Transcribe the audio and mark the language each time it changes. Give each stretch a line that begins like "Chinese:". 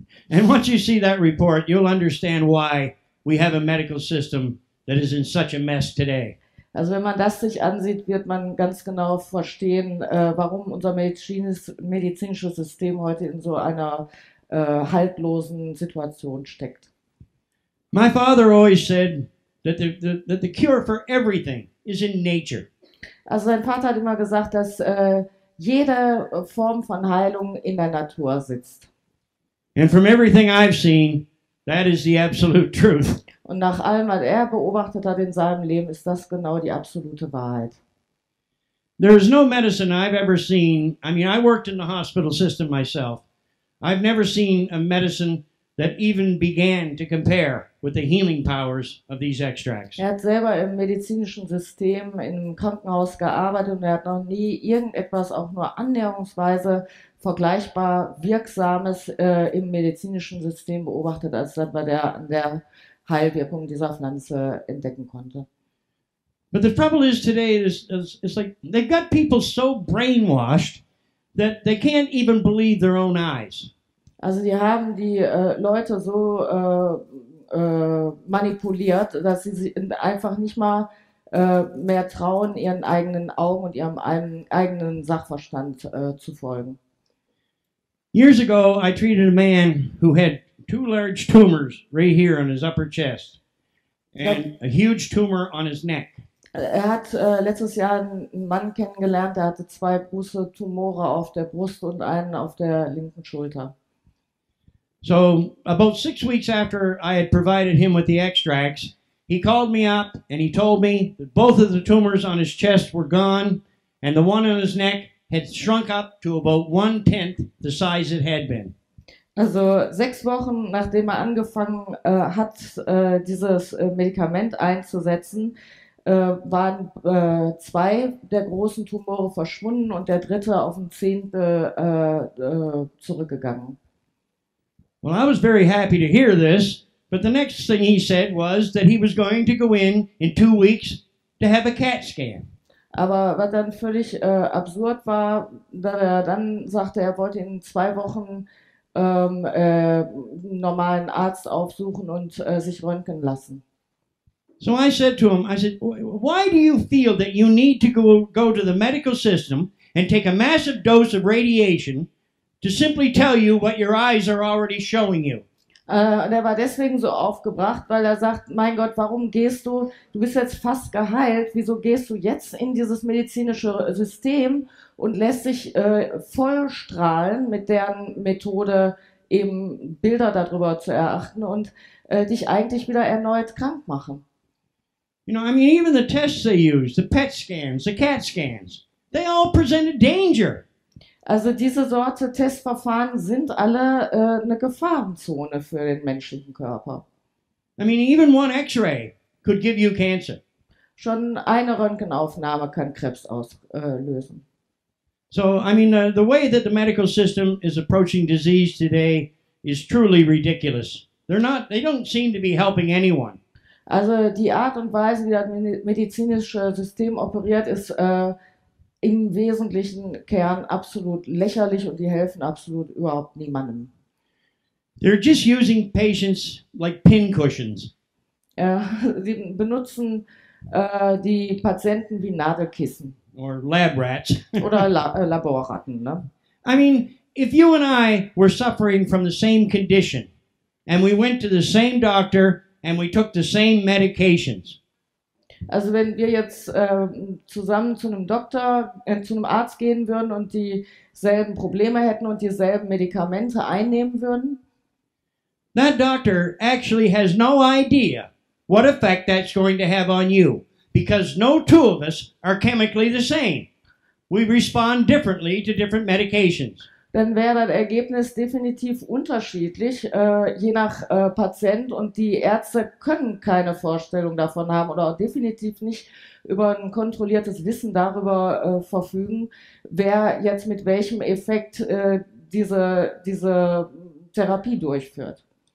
English: And once you see that report, you'll understand why we have a medical system that is in such a mess today.
German: Also wenn man das sich ansieht, wird man ganz genau verstehen, warum unser medizinisches System heute in so einer haltlosen Situation steckt.
English: My father always said that the cure for everything is in nature.
German: Also sein Vater hat immer gesagt, dass jede Form von Heilung in der Natur sitzt.
English: And from everything I've seen, that is the absolute truth.
German: Und nach allem, was er beobachtet hat in seinem Leben, ist das genau die absolute Wahrheit.
English: There is no medicine I've ever seen. I mean, I worked in the hospital system myself. I've never seen a medicine that even began to compare with the healing powers of these extracts.
German: Er hat selber im medizinischen System im Krankenhaus gearbeitet und er hat noch nie irgendetwas auch nur annäherungsweise vergleichbar Wirksames im medizinischen System beobachtet, als das bei der Heilwirkung dieser Pflanze entdecken konnte.
English: But the trouble is today is like they've got people so brainwashed that they can't even believe their own eyes.
German: Also die haben die Leute so manipuliert, dass sie einfach nicht mal mehr trauen, ihren eigenen Augen und ihrem eigenen Sachverstand zu folgen.
English: Years ago I treated a man who had two large tumors right here on his upper chest and a huge tumor on his neck.
German: Er hat letztes Jahr einen Mann kennengelernt, der hatte zwei große Tumore auf der Brust und einen auf der linken Schulter.
English: So about 6 weeks after I had provided him with the extracts, he called me up and he told me that both of the tumors on his chest were gone and the one on his neck had shrunk up to about 1/10 the size it had been.
German: Also 6 Wochen, nachdem er angefangen hat, dieses Medikament einzusetzen, waren zwei der großen Tumore verschwunden und der dritte auf ein Zehntel zurückgegangen.
English: Well, I was very happy to hear this, but the next thing he said was that he was going to go in 2 weeks to have a CAT scan.
German: Aber was dann völlig absurd war, da er dann sagte, er wollte in 2 Wochen einen normalen Arzt aufsuchen und sich röntgen lassen.
English: So I said to him, I said, why do you feel that you need to go to the medical system and take a massive dose of radiation to simply tell you what your eyes are already showing you?
German: Und er war deswegen so aufgebracht, weil er sagt, mein Gott, warum gehst du? Du bist jetzt fast geheilt, wieso gehst du jetzt in dieses medizinische System und lässt dich vollstrahlen mit deren Methode eben Bilder darüber zu erachten und dich eigentlich wieder erneut krank machen.
English: You know, I mean, even the tests they use, the PET scans, the CAT scans, they all present a danger.
German: Also diese Sorte Testverfahren sind alle eine Gefahrenzone für den menschlichen Körper.
English: I mean, even one X-ray could give you cancer.
German: Schon eine Röntgenaufnahme kann Krebs auslösen.
English: So, I mean, the way that the medical system is approaching disease today is truly ridiculous. They don't seem to be helping anyone.
German: Also die Art und Weise, wie das medizinische System operiert, ist im wesentlichen Kern absolut lächerlich und die helfen absolut überhaupt niemandem.
English: They're just using patients like pin cushions.
German: Ja, sie benutzen die Patienten wie Nadelkissen.
English: Or lab rats.
German: Oder Laborratten, ne?
English: I mean, if you and I were suffering from the same condition and we went to the same doctor and we took the same medications.
German: Also wenn wir jetzt zusammen zu einem Doktor, zu einem Arzt gehen würden und dieselben Probleme hätten und dieselben Medikamente einnehmen würden.
English: That doctor actually has no idea what effect that's going to have on you, because no two of us are chemically the same. We respond differently to different medications.
German: Dann wäre das Ergebnis definitiv unterschiedlich, je nach Patient. Und die Ärzte können keine Vorstellung davon haben oder definitiv nicht über ein kontrolliertes Wissen darüber verfügen, wer jetzt mit welchem Effekt diese Therapie durchführt.